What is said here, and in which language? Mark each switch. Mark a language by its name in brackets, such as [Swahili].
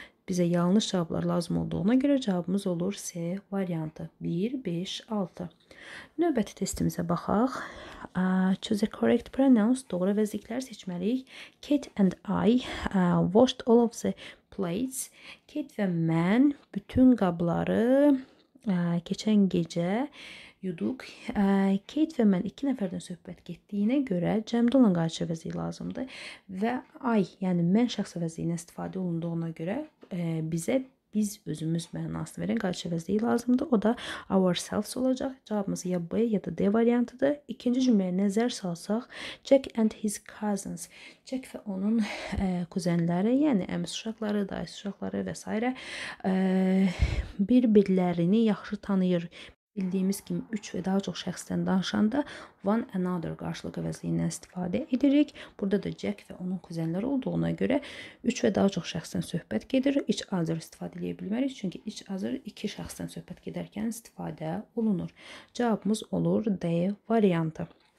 [Azerbaijani] Bizə yanlış cavablar lazım olduğuna görə cavabımız olur C variantı. 1, 5, 6. Növbəti testimizə baxaq. [English] Choose a correct pronouns. [Azerbaijani] Doğru vəzliklər seçməliyik. [English] Kate and I washed all of the plates. [Azerbaijani] Kate və mən bütün qabları keçən gecə yuduq. Kate və mən iki nəfərdən söhbət getdiyinə görə cəmdə olan qarşı vəzik lazımdır. Və I, yəni mən şəxs vəziyinə istifadə olunduğuna görə bizə biz özümüz mənasını verən qarşı vəzik lazımdır. O da ourselves olacaq. Cavabımız ya B ya da D variantıdır. İkinci cümləyə nəzər salsaq, [English] Jack and his cousins. [Azerbaijani] Jack və onun kuzənləri, yəni əmis uşaqları, dayısı uşaqları və s. Bir-birlərini yaxşı tanıyır. Bildiyimiz kimi 3 və daha çox şəxsdən danışanda one another qarşılıq əvəzliyindən istifadə edirik. Burada da Jack və onun kuzənləri olduğuna görə 3 və daha çox şəxsdən söhbət gedir. Each other istifadə edə bilmərik, çünki each other 2 şəxsdən söhbət gedərkən istifadə olunur. Cavabımız olur D variantı.